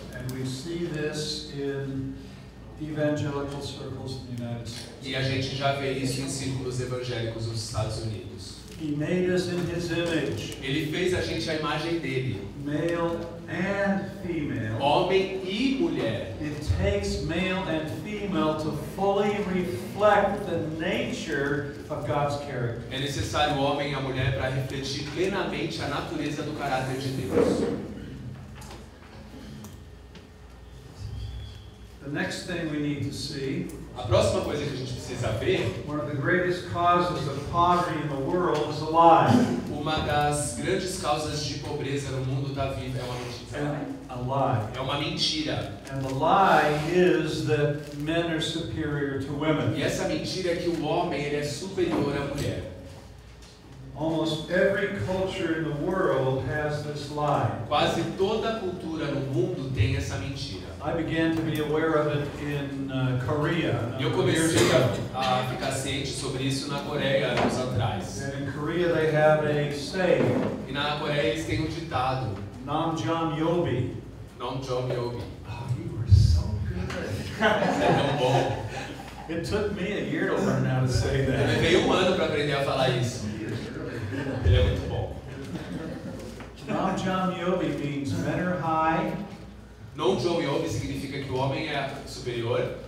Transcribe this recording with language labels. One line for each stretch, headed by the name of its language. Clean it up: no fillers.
English: And we see this in evangelical circles in the United States.
Portuguese: E a gente já vê isso em círculos evangélicos nos Estados Unidos.
English: He made us in his image.
Portuguese: Ele fez a gente a imagem dele.
English: Male and female.
Portuguese: Homem e mulher.
English: It takes male and female to fully reflect the nature of God's character.
Portuguese: É necessário o homem e a mulher para refletir plenamente a natureza do caráter de Deus.
English: The next thing we need to see,
Portuguese: a próxima coisa que a gente precisa ver,
English: one of the greatest causes of poverty in the world is a lie.
Portuguese: Uma das grandes causas de pobreza no mundo da vida é uma mentira.
English: A lie.
Portuguese: É uma mentira.
English: And the lie is that men are superior to women.
Portuguese: E essa mentira é que o homem ele é superior à mulher.
English: Almost every culture in the world has this lie.
Portuguese: Quase toda cultura no mundo tem essa mentira.
English: I began to be aware of it in Korea.
Portuguese: Eu comecei a ficar ciente sobre isso na Coreia anos atrás.
English: And in Korea they have a saying.
Portuguese: E na Coreia eles têm um ditado.
Korean: Namjoon-myobi. Namjoon-myobi.
English: Oh, you were so good.
Portuguese: Você é tão bom.
English: It took me a year to learn how to say that.
Portuguese: Eu levei um ano para aprender a falar isso. Ele é muito bom.
Korean: Namjoon-myobi
English: means men are high.
Korean: Namjoon-myobi
Portuguese: significa que o homem é superior.